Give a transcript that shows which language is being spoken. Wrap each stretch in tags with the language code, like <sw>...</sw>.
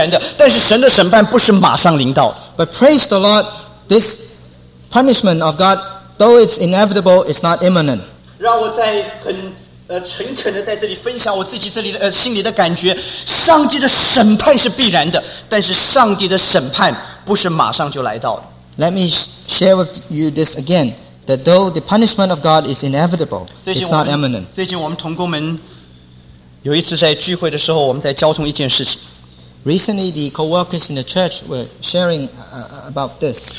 <zh>但是感谢主，虽然神的审判是必然的，但是神的审判不是马上临到。</zh> <en>But praise the Lord, this punishment of God, though it's inevitable, it's not imminent.</en> <zh>让我再很诚恳地在这里分享我自己这里的心里的感觉，上帝的审判是必然的，但是上帝的审判不是马上就来到的。</zh> <en>Let me share with you this again, that though the punishment of God is inevitable, it's not imminent.</en> <zh>最近我们同工们有一次在聚会的时候，我们在交通一件事情。</zh> <en>Recently, the co-workers in the church were sharing about this.</en>